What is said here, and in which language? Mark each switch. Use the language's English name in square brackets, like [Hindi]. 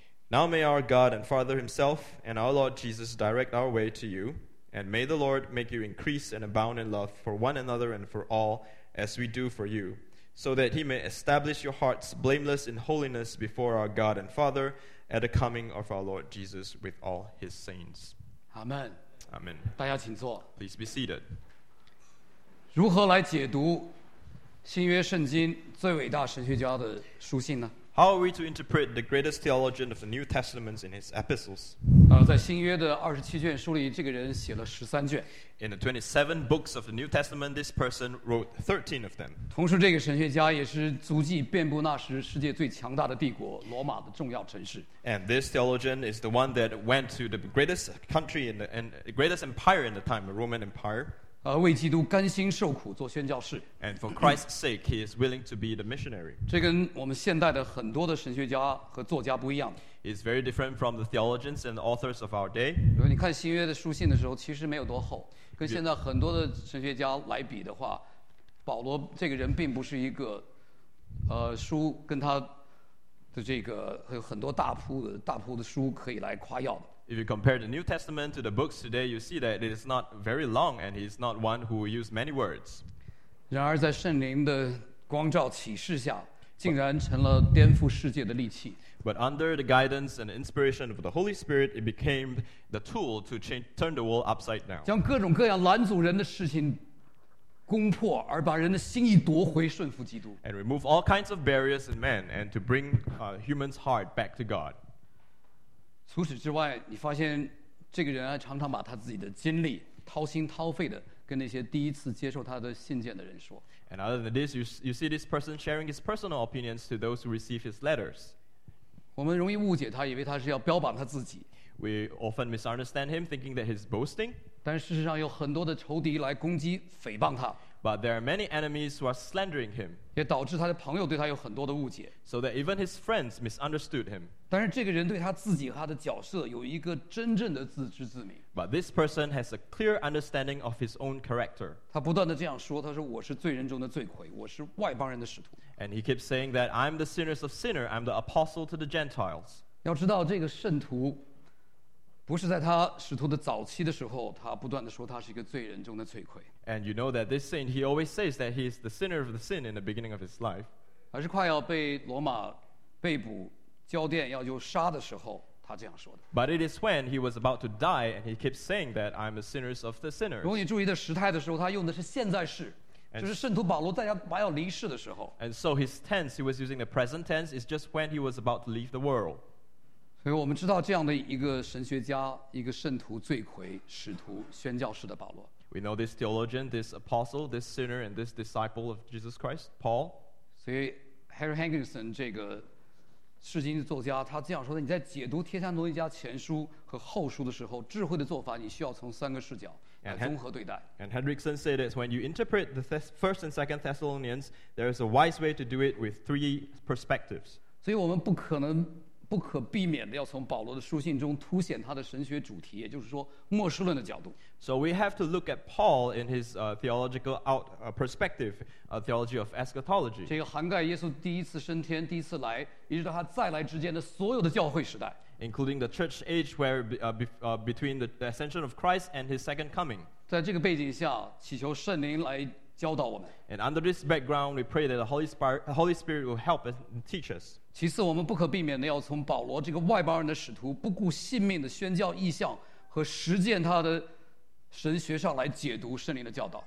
[English] Now may our God and Father himself and our Lord Jesus direct our way to you, And may the Lord make you increase and abound in love for one another and for all, as we do for you, so that he may establish your hearts blameless in holiness before our God and Father at the coming of our Lord Jesus with all his saints. Amen. Amen. [Chinese] 大家请坐。 [English] Please be seated. [Chinese] 如何来解读新约圣经最伟大神学家的书信呢？ [English] How are we to interpret the greatest theologian of the New Testament in his epistles? [Chinese] 在新约的二十七卷书里，这个人写了十三卷。 [English] In the 27 books of the New Testament, this person wrote 13 of them. [Chinese] 同时，这个神学家也是足迹遍布那时世界最强大的帝国罗马的重要城市。 [English] And this theologian is the one that went to the greatest country in the, and the greatest empire in the time, the Roman Empire. [Chinese] 为基督甘心受苦做宣教士。 [English] And for Christ's sake, he is willing to be the missionary. [Chinese] 这跟我们现代的很多的神学家和作家不一样。 [English] It's very different from the theologians and the authors of our day. [Chinese] 如果你看新约的书信的时候，其实没有多厚。跟现在很多的神学家来比的话，保罗这个人并不是一个，书跟他的这个有很多大铺的书可以来夸耀的。 [English] If you compare the New Testament to the books today, you see that it is not very long, and he's not one who used many words. [Chinese] 然而在圣灵的光照启示下，竟然成了颠覆世界的利器。 [English] But under the guidance and inspiration of the Holy Spirit, it became the tool to turn the world upside down. [Chinese] 将各种各样拦阻人的事情攻破，而把人的心意夺回顺服基督。 [English] And remove all kinds of barriers in man, and to bring human's heart back to God. [Chinese] 除此之外，你发现这个人还常常把他自己的经历掏心掏肺的跟那些第一次接受他的信件的人说。 [English] And other than this, you see this person sharing his personal opinions to those who receive his letters. [Chinese] 我们容易误解他，以为他是要标榜他自己。 [English] We often misunderstand him, thinking that he's boasting. [Chinese] 但事实上有很多的仇敌来攻击诽谤他。 [English] But there are many enemies who are slandering him. [Chinese] 也导致他的朋友对他有很多的误解。 [English] So that even his friends misunderstood him. [Chinese] 但是这个人对他自己和他的角色有一个真正的自知自明。 [English] But this person has a clear understanding of his own character. [Chinese] 他不断地这样说，他说我是罪人中的罪魁，我是外邦人的使徒。 [English] And he keeps saying that I'm the sinners of sinner, I'm the apostle to the Gentiles. [Chinese] 要知道这个圣徒不是在他使徒的早期的时候，他不断地说他是一个罪人中的罪魁。 [English] And you know that this saint, he always says that he is the sinner of the sin in the beginning of his life. [Chinese] 而是快要被罗马被捕交奠要就杀的时候，他这样说的。 [English] But it is when he was about to die, and he keeps saying that I'm a sinner of the sinner. [Chinese] 如果你注意的时态的时候，他用的是现在式。And, 就是圣徒保罗在他快要离世的时候。 [English] And so his tense, he was using the present tense, is just when he was about to leave the world. [Chinese] 所以我们知道这样的一个神学家，一个圣徒、罪魁、使徒、宣教士的保罗。 [English] We know this theologian, this apostle, this sinner, and this disciple of Jesus Christ, Paul. [Chinese] 所以 Harry Hankinson 这个释经作家，他这样说的：你在解读《帖撒罗尼迦前书》和后书的时候，智慧的做法，你需要从三个视角来综合对待。 [English] And Hendrickson said that when you interpret the first and second Thessalonians, there is a wise way to do it with three perspectives. [Chinese] 所以我们不可能。不可避免的要从保罗的书信中凸显他的神学主题，也就是说末世论的角度。 [English] So we have to look at Paul in his theological out perspective, a theology of eschatology. [Chinese] 这个涵盖耶稣第一次升天、第一次来，一直到他再来之间的所有的教会时代。 [English] Including the church age where between the ascension of Christ and his second coming. [Chinese] 在这个背景下，祈求圣灵来教导我们。 [English] And under this background, we pray that the Holy Spirit will help us and teach us. [Chinese] 其次，我们不可避免的要从保罗这个外邦人的使徒不顾性命的宣教意向和实践他的神学上来解读圣灵的教导。